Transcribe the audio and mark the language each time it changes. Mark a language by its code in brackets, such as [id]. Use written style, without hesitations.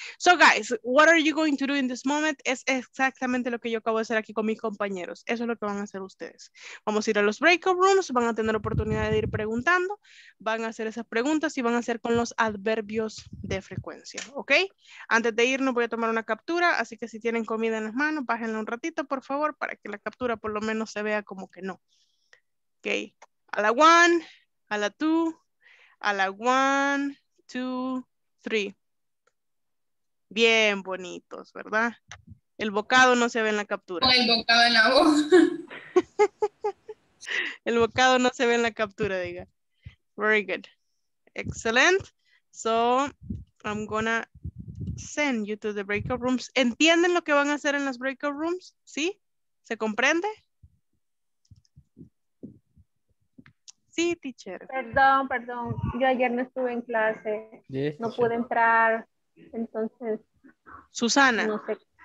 [en] So guys, what are you going to do in this moment? [es] Es exactamente lo que yo acabo de hacer aquí con mis compañeros. Eso es lo que van a hacer ustedes. Vamos a ir a los breakout rooms, van a tener oportunidad de ir preguntando, van a hacer esas preguntas y van a hacer con los adverbios de frecuencia, ¿ok? Antes de irnos voy a tomar una captura, así que si tienen comida en las manos, bájenla un ratito, por favor, para que la captura por lo menos se vea como que no. ¿Ok? A la one, a la two, a la one, two, three. Bien bonitos, ¿verdad? El bocado no se ve en la captura. El bocado en la voz. El bocado no se ve en la captura, diga. [en] Very good. Excellent. So, I'm gonna send you to the breakout rooms. [es] ¿Entienden lo que van a hacer en las breakout rooms? ¿Sí? ¿Se comprende? Sí, teacher. Perdón. Yo ayer no estuve en clase. Yes, no pude entrar. Entonces... Susana, no sé.